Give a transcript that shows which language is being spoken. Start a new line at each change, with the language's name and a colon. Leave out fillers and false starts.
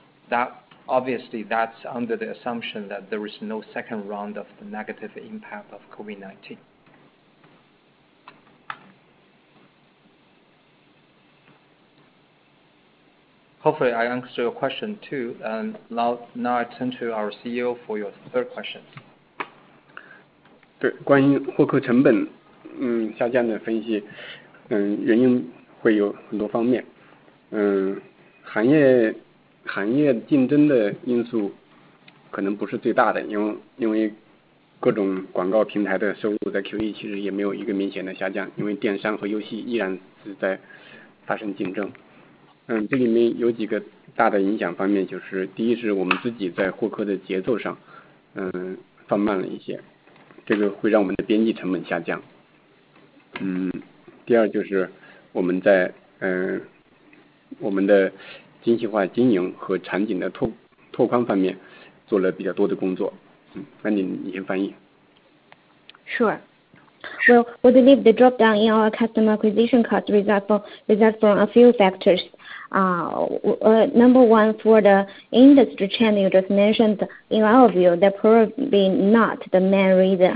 English: That obviously that's under the assumption that there is no second round of the negative impact of COVID-19. Hopefully I answered your question too, and now I turn to our CEO for your third question.
Chinese: 对，关于获客成本下降的分析，原因会有很多方面。行业竞争的因素可能不是最大的，因为各种广告平台的收入在 Q1 其实也没有一个明显的下降，因为电商和游戏依然是在发生竞争。这里面有几个大的影响方面，就是第一是我们自己在获客的节奏上放慢了一些，这个会让我们的边际成本下降。第二就是我们在我们的精细化经营和场景的拓宽方面做了比较多的工作。那你先翻译。
English: Sure. Well, we believe the drop down in our customer acquisition cost result from a few factors. Number one, for the industry trend you just mentioned, in our view, that probably not the main reason.